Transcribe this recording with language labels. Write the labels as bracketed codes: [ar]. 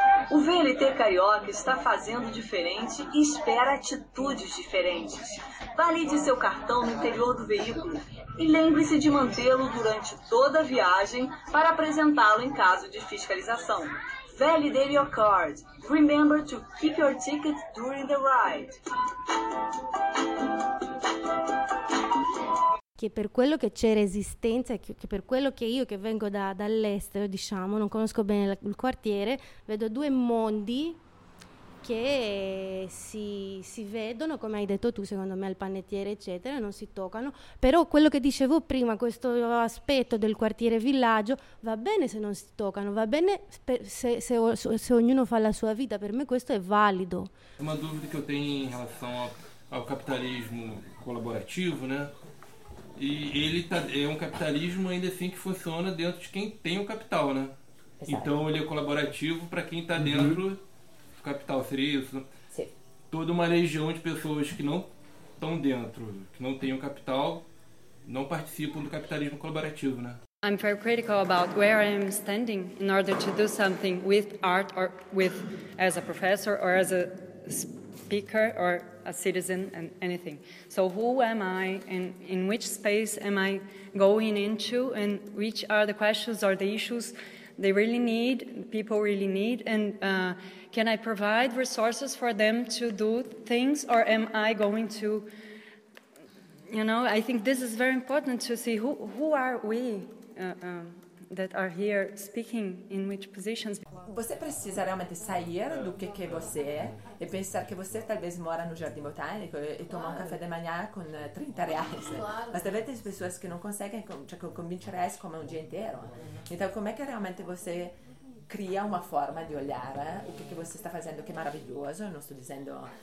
[pt] O VLT Carioca está fazendo diferente e espera atitudes diferentes. Valide seu cartão no interior do veículo e lembre-se de mantê-lo durante toda a viagem para apresentá-lo em caso de fiscalização. [en] Validate your card. Remember to keep your ticket during the ride. [it] Che per quello che c'è resistenza, che per quello che io che vengo dall'estero, diciamo, non conosco bene il quartiere, vedo due mondi che si vedono, come hai detto tu, secondo me, al panettiere, eccetera, non si toccano. Però quello che dicevo prima, questo aspetto del quartiere villaggio, va bene se non si toccano, va bene se ognuno fa la sua vita, per me questo è valido. Una dubbio che ho in relazione al capitalismo collaborativo, né? [pt] E ele tá, é um capitalismo ainda assim que funciona dentro de quem tem o capital, né? Exato. Então ele é colaborativo para quem está dentro do capital, seria isso? Sim. Toda uma legião de pessoas que não estão dentro, que não têm o capital, não participam do capitalismo colaborativo, né? [en] I'm very critical about where I am standing in order to do something with art or with as a professor or as a speaker or a citizen and anything. So who am I and in which space am I going into and which are the questions or the issues they really need, people really need, and can I provide resources for them to do things or am I going to, you know, I think this is very important to see who are we that are here speaking in which positions. [pt] Você precisa realmente sair do que você é e pensar que você talvez mora no Jardim Botânico e tomar um café de manhã com R$30. Claro. Mas talvez tem pessoas que não conseguem, tipo, com R$20 comer um dia inteiro. Então, como é que realmente você cria uma forma de olhar o que você está fazendo, que é maravilhoso? Eu não estou dizendo